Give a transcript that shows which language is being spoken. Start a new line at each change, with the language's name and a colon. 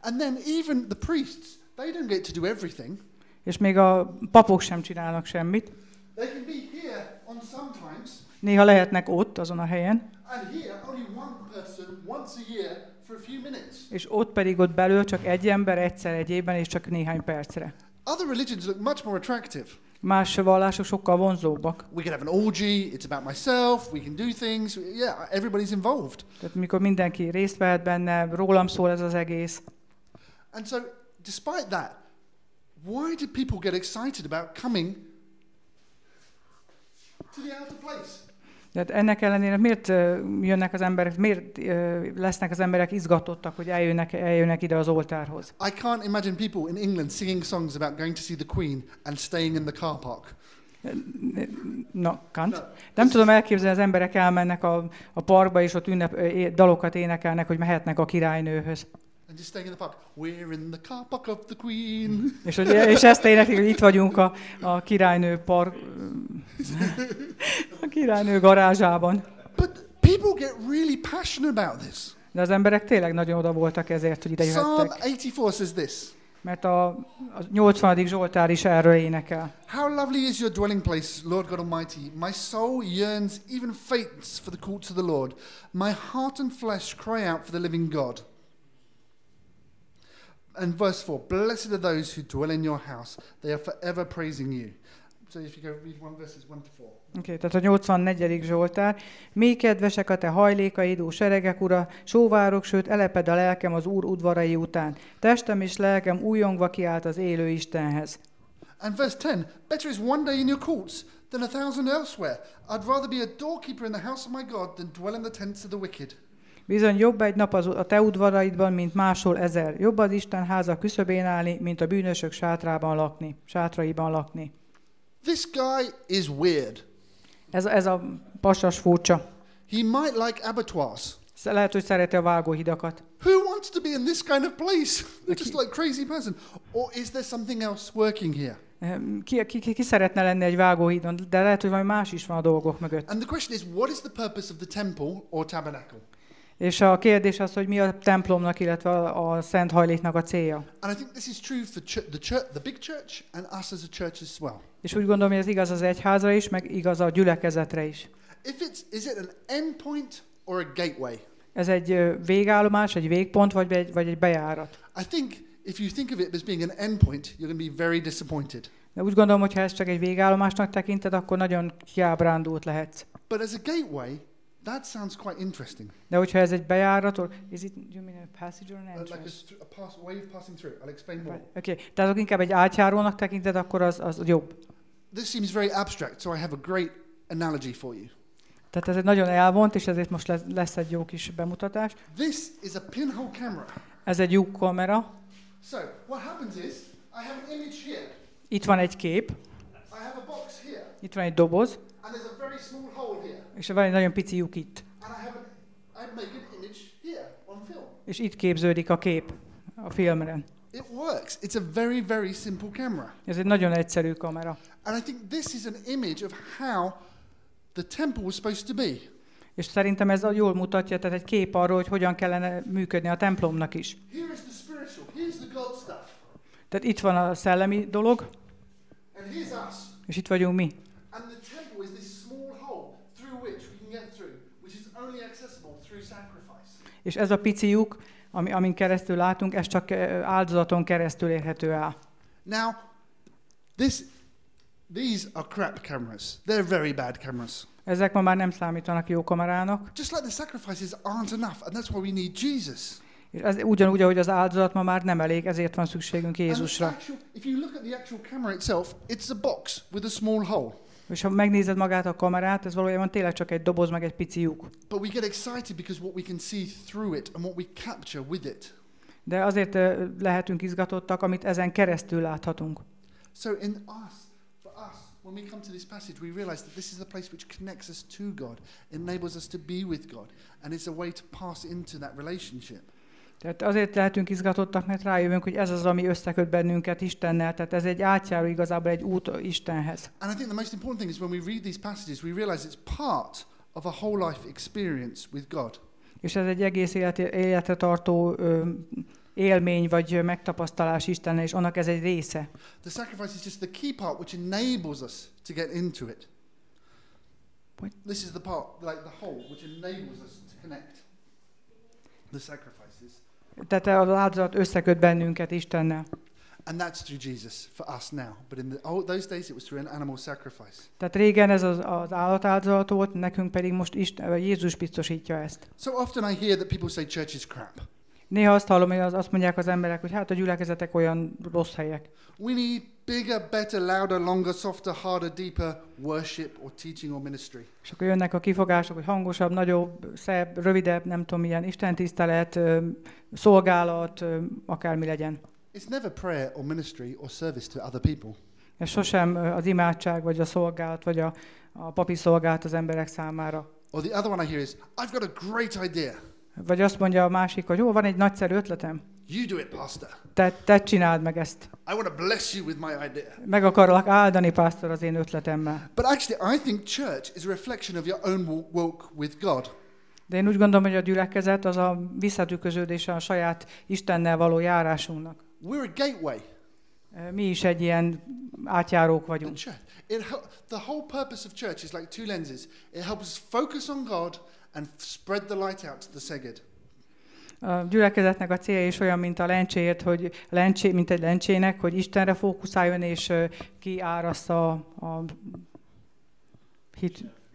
English: And then even the priests, they don't get to do everything.
Hungarian: És még a papok sem csinálnak semmit.
English: They can be here on sometimes.
Hungarian: Néha lehetnek ott, azon a helyen.
English: And here only one person once a year for a few minutes.
Hungarian: És ott pedig ott belül csak egy ember egyszer egy évben és csak néhány percre.
English: Other religions look much more attractive.
Hungarian: Más vallások sokkal vonzóbbak.
English: We can have an orgy, it's about myself, we can do things, yeah, everybody's involved.
Hungarian: Tehát mikor mindenki részt vehet benne, rólam szól ez az egész.
English: And so, despite that, why did people get excited about coming to the outer place?
Hungarian: Tehát ennek ellenére miért jönnek az emberek, miért lesznek az emberek izgatottak, hogy eljönnek ide az oltárhoz?
English: I can't imagine people in England singing songs about going to see the Queen and staying in the car park. No, can't. No.
Hungarian: Nem tudom elképzelni, az emberek elmennek a parkba és ott dalokat énekelnek, hogy mehetnek a királynőhöz.
English: And just staying in the park. We're in the car park of the Queen.
Hungarian: És ezt éneklik, hogy itt vagyunk a királynő park, a királynő garázsában.
English: But people get really passionate about this.
Hungarian: De az emberek tényleg nagyon oda voltak ezért, hogy ide jöhettek.
English: Psalm 84 says this.
Hungarian: Mert a 80. Zsoltár is erről énekel.
English: How lovely is your dwelling place, Lord God Almighty. My soul yearns, even faints for the courts of the Lord. My heart and flesh cry out for the living God. And verse 4, blessed are those who dwell in your house. They are forever praising you. So if you go read one verses 1-4.
Hungarian: Okay, tehát a 84. Zsoltár. Mély kedvesek a te hajlékaid, ó seregek ura, sóvárok, sőt, eleped a lelkem az Úr udvarai után. Testem és lelkem újongva kiállt az élő Istenhez.
English: And verse 10, better is one day in your courts than a thousand elsewhere. I'd rather be a doorkeeper in the house of my God than dwell in the tents of the wicked.
Hungarian: Bizony jobb egy nap a te udvaraidban, mint máshol ezer. Jobb az Isten háza küszöbén állni, mint a bűnösök sátraiban lakni.
English: This guy is weird.
Hungarian: Ez a pasas furcsa.
English: He might like abattoirs.
Hungarian: Lehet, hogy szereti a vágóhidakat.
English: Who wants to be in this kind of place? Just like crazy person. Or is there something else working here?
Hungarian: Ki szeretne lenni egy vágóhídon, de lehet, hogy valami más is van a dolgok mögött.
English: And the question is, what is the purpose of the temple or tabernacle?
Hungarian: És a kérdés az, hogy mi a templomnak, illetve a szent hajléknak a célja.
English: And I think this is true for the big church and us as a church as well.
Hungarian: És úgy gondolom, hogy ez igaz az egyházra is, meg igaz a gyülekezetre is.
English: Is it an end point or a gateway?
Hungarian: Ez egy végállomás, egy végpont, vagy egy bejárat?
English: I think if you think of it as being an end point, you're going to be very disappointed.
Hungarian: De úgy gondolom, hogy ha ez csak egy végállomásnak tekinted, akkor nagyon kiábrándult lehetsz.
English: But as a gateway, that sounds quite interesting.
Hungarian: De hogyha ez egy bejárat,
English: or is it, do you mean a passage or an entrance? Like a way of passing through. I'll explain more.
Hungarian: Okay, tehát akkor inkább egy átjárónak tekinted, akkor az jobb.
English: This seems very abstract, so I have a great analogy for you.
Hungarian: Tehát ez egy nagyon elvont, és ezért most lesz egy jó kis bemutatás.
English: This is a pinhole camera.
Hungarian: Ez egy lyuk kamera.
English: So what happens is, I have an image here.
Hungarian: Itt van egy kép.
English: I have a box here.
Hungarian: Itt van egy doboz.
English: And there's a very small hole here.
Hungarian: És van egy nagyon pici lyuk itt.
English: And I make an image here on film.
Hungarian: És itt képződik a kép a filmre.
English: It works. It's a very, very simple camera.
Hungarian: Ez egy nagyon egyszerű kamera.
English: And I think this is an image of how the temple was supposed to be.
Hungarian: És szerintem ez jól mutatja, tehát egy kép arról, hogy hogyan kellene működni a templomnak is.
English: Here is the spiritual. Here's the God stuff.
Hungarian: Tehát itt van a szellemi dolog.
English: And here's us.
Hungarian: És itt vagyunk mi.
English: And the temple is this small hole through which we can get through, which is only accessible through sacrifice.
Hungarian: És ez a pici lyuk, amin keresztül látunk, ez csak áldozaton keresztül érhető el.
English: Now, these are crap cameras. They're very bad cameras.
Hungarian: Ezek ma már nem számítanak jó kamerának.
English: Just like the sacrifices aren't enough, and that's why we need Jesus.
Hungarian: És ez ugyanúgy, ahogy az áldozat ma már nem elég, ezért van szükségünk Jézusra.
English: If you look at the actual camera itself, it's a box with a small hole.
Hungarian: És ha megnézed magát a kamerát, ez valójában tényleg csak egy doboz meg egy pici lyuk.
English: But we get excited because what we can see through it and what we capture with it.
Hungarian: De azért lehetünk izgatottak, amit ezen keresztül láthatunk.
English: So in us, for us, when we come to this passage, we realize that this is the place which connects us to God, enables us to be with God, and it's a way to pass into that relationship.
Hungarian: Tehát azért lehetünk izgatottak, mert rájövünk, hogy ez az, ami összeköt bennünket Istennel, tehát ez egy átjáró igazából egy út Istenhez.
English: And I think the most important thing is when we read these passages, we realize it's part of a whole life experience with God.
Hungarian: És ez egy egész életre tartó élmény vagy megtapasztalás Istennel, és annak ez egy része.
English: The sacrifice is just the key part which enables us to get into it. What? This is the part, like the whole, which enables us to connect. The sacrifices.
Hungarian: Tehát az áldozat összeköt bennünket Istennel.
English: And that's through Jesus for us now. But in those days it was through an animal sacrifice.
Hungarian: Tehát régen ez az állat áldozat volt, nekünk pedig most Jézus biztosítja ezt.
English: So often I hear that people say church is crap.
Hungarian: Néha azt hallom, hogy azt mondják az emberek, hogy hát a gyülekezetek olyan rossz helyek.
English: We need bigger, better, louder, longer, softer, harder, deeper worship or teaching or ministry.
Hungarian: És akkor jönnek a kifogások, hogy hangosabb, nagyobb, szebb, rövidebb, nem tudom milyen, istentisztelet, szolgálat, akármi legyen.
English: It's never prayer or ministry or service to other people.
Hungarian: Ez sosem az imádság, vagy a szolgálat, vagy a papi szolgálat az emberek számára.
English: Or the other one I hear is, I've got a great idea.
Hungarian: Vagy azt mondja a másik, hogy jó, van egy nagyszerű ötletem.
English: You do it, pastor.
Hungarian: Te csináld meg ezt.
English: I want to bless you with my idea.
Hungarian: Meg akarlak áldani, pásztor, az én ötletemmel.
English: But actually, I think church is a reflection of your own walk with God.
Hungarian: De én úgy gondolom, hogy a gyülekezet az a visszatükröződése a saját Istennel való járásunknak.
English: We're a gateway.
Hungarian: Mi is egy ilyen átjárók vagyunk.
English: The whole purpose of church is like two lenses. It helps us focus on God and spread the light out to the Szeged.
Hungarian: A gyülekezetnek a célja is olyan, mint a lencséért, hogy mint egy lencsének, hogy Istenre fókuszáljon, és kiárassza a hit.